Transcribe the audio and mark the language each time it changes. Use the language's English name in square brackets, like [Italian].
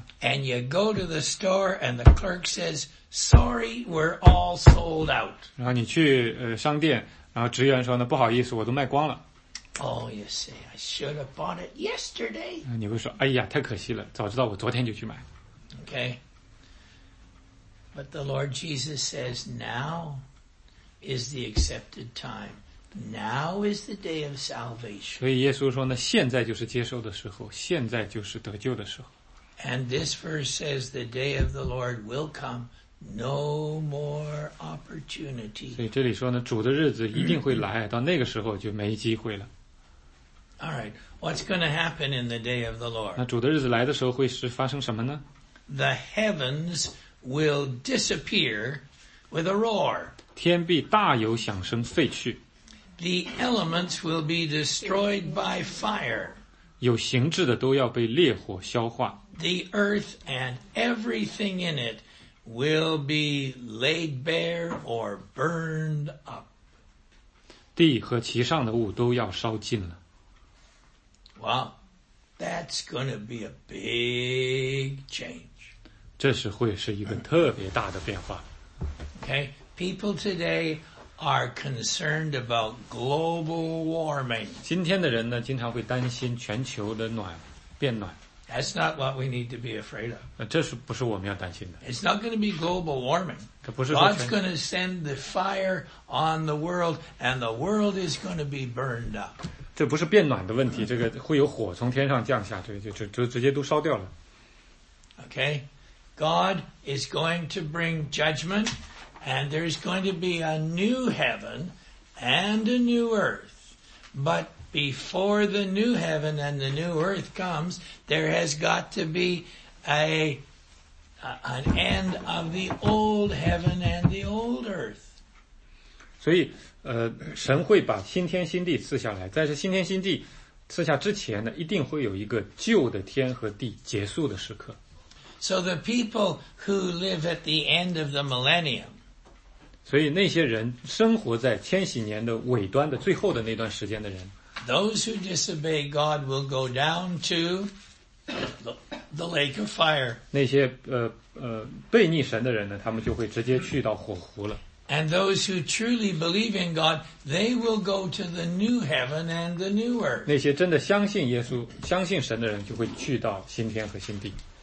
[English] And you go to the store and the clerk says,Sorry, we're all sold out. [Chinese] 然后你去商店，然后职员说呢，不好意思，我都卖光了。 [English] Oh, you say, I should have bought it yesterday. [Chinese] 你会说，哎呀，太可惜了，早知道我昨天就去买。 [English] Okay. But the Lord Jesus says, now is the accepted time. Now is the day of salvation. [Chinese] 所以耶稣说呢，现在就是接受的时候，现在就是得救的时候。 [English] And this verse says, the day of the Lord will come. No more opportunity. [Chinese] 所以这里说呢，主的日子一定会来，到那个时候就没机会了。 [English] All right, what's going to happen in the day of the Lord? [Chinese] 那主的日子来的时候会是发生什么呢？ [English] The heavens will disappear with a roar. [Chinese] 天必大有响声废去。 [English] The elements will be destroyed by fire. [Chinese] 有形质的都要被烈火消化。 [English] The earth and everything in it. Will be laid bare or burned up. [Chinese] 地和其上的物都要烧尽了。 [English] Well, that's going to be a big change. [Chinese] 这是会是一个特别大的变化。 [English] Okay, people today are concerned about global warming. [Chinese] 今天的人呢，经常会担心全球的暖变暖。 [English] That's not what we need to be afraid of. [Chinese] 这是不是我们要担心的。 [English] It's not going to be global warming. God's going to send the fire on the world, and the world is going to be burned up. [Chinese] 这不是变暖的问题，这个会有火从天上降下，对，就直接都烧掉了。 [English] Okay, God is going to bring judgment, and there's going to be a new heaven and a new earth, but before the new heaven and the new earth comes, there has got to be an end of the old heaven and the old earth. [Chinese] 所以，神会把新天新地赐下来，但是新天新地赐下之前呢，一定会有一个旧的天和地结束的时刻。 [English] So the people who live at the end of the millennium. [Chinese] 所以那些人生活在千禧年的尾端的最后的那段时间的人。 [English] Those who disobey God will go down to the lake of fire. [Chinese] 那些背逆神的人呢，他们就会直接去到火湖了。 [English] And those who truly believe in God, they will go to the new heaven and the new earth. [Chinese] 那些真的相信耶稣、相信神的人，就会去到新天和新地。